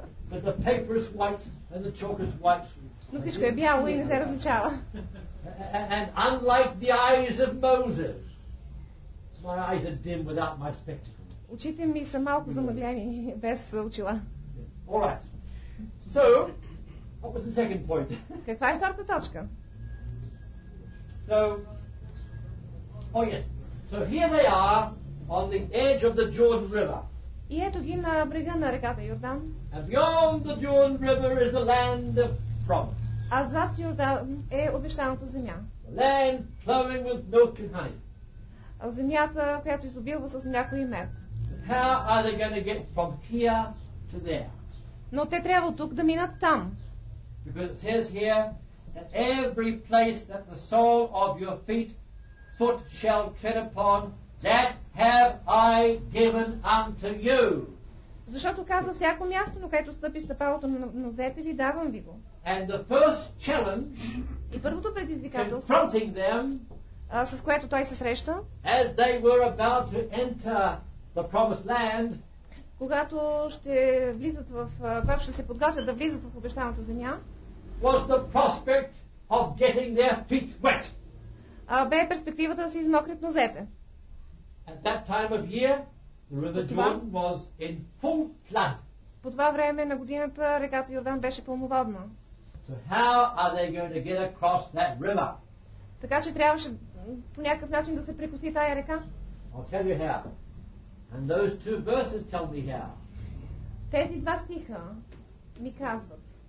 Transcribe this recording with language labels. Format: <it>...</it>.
<en>But the paper is white and the chalk is white.</en> <bg>Но всичко е бяло и не се различава.</bg> <en>And unlike the eyes of Moses, my eyes are dim without my spectacles.</en> <bg>Очите ми са малко замъглени без очила.</bg> <en>All right. So, what was the second point?</en> <bg>Каква е втората точка?</bg> <en>So, oh yes. So here they are on the edge of the Jordan River.</en> <bg>И ето ги на брега на реката Йордан.</bg> <en>And beyond the Jordan River is the land of promise.</en> <bg>А зад Йордан е обещаната земя.</bg> <en>Land flowing with milk and honey.</en> <bg>Земята, която изобилва с мляко и мед.</bg> <en>How are they going to get from here to there?</en> <bg>Но те трябва тук да минат там.</bg> <en>Because it says here that every place that the sole of your foot shall tread upon, that have I given unto you.</en> <bg>Защото казва всяко място, на което стъпи стъпалото на нозете ви, давам ви го.</bg> <en>And the first challenge,</en> <bg>и първото предизвикателство,</bg> <en>confronting them,</en> <bg>с което той се среща,</bg> <en>as they were about to enter the promised land,</en> <bg>когато ще влизат в, когато ще се подготвят да влизат в обещаната земя,</bg> <en>was the prospect of getting their feet wet.</en> <bg>Бе перспективата да се измокрят нозете.</bg> <en>At that time of year, the river Jordan was in full flood.</en> <bg>По това време на годината реката Йордан беше пълноводна.</bg> <en>So how are they going to get across that river?</en> <bg>Така че трябваше по някакъв начин да се прекоси тая река.</bg> <en>I'll tell you how. And those two verses tell me how.</en> <bg>Тези два стиха ми казват.</bg>